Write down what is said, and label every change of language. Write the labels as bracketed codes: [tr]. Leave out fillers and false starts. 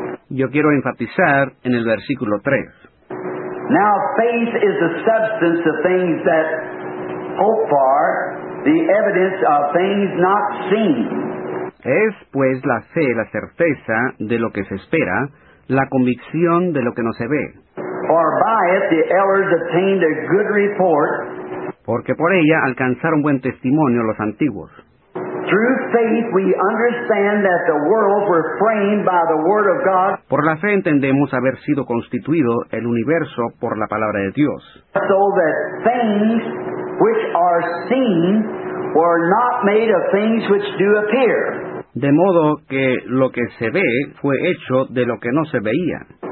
[es] Yo quiero enfatizar en el versículo 3. [en] Now faith is the substance of things that hope for, the evidence of things not seen. [es] Es pues la fe, la certeza de lo que se espera, la convicción de lo que no se ve. [en] For by it the elders obtained a good report. [es] Porque por ella alcanzaron buen testimonio los antiguos. [en] Through faith we understand that the world was framed by the word of God. [es] Por la fe entendemos haber sido constituido el universo por la palabra de Dios. [en] So that things which are seen were not made of things which do appear. [es] De modo que lo que se ve fue hecho de lo que no se veía.